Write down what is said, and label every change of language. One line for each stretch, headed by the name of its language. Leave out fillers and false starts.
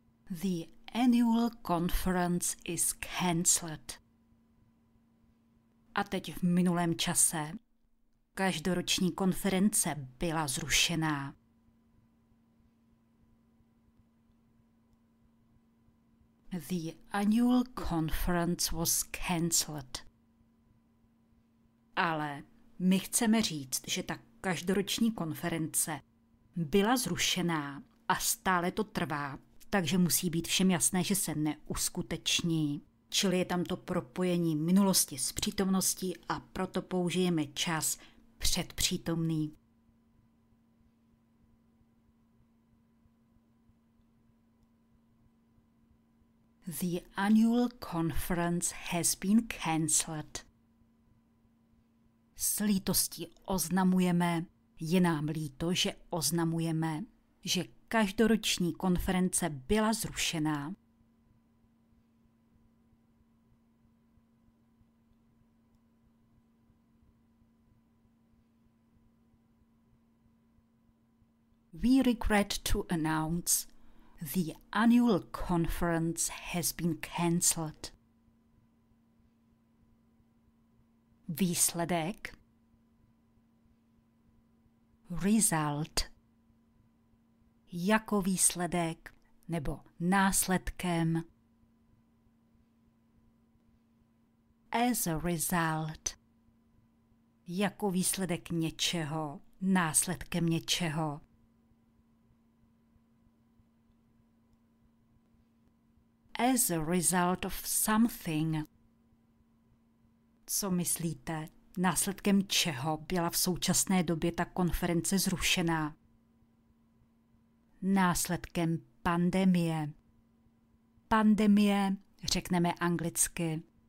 English: The annual conference is cancelled.
Czech: A teď v minulém čase. Každoroční konference byla zrušená.
English: The annual conference was cancelled.
Czech: Ale my chceme říct, že ta každoroční konference byla zrušená a stále to trvá. Takže musí být všem jasné, že se neuskuteční. Čili je tam to propojení minulosti s přítomností a proto použijeme čas předpřítomný.
English: The annual conference has been cancelled.
Czech: S lítostí oznamujeme, je nám líto, že oznamujeme, že každoroční konference byla zrušená.
English: We regret to announce the annual conference has been cancelled.
Czech: Výsledek.
English: Result.
Czech: Jako výsledek nebo následkem.
English: As a result.
Czech: Jako výsledek něčeho, následkem něčeho.
English: As a result of something.
Czech: Co myslíte, následkem čeho byla v současné době ta konference zrušená? Následkem pandemie. Pandemie řekneme anglicky.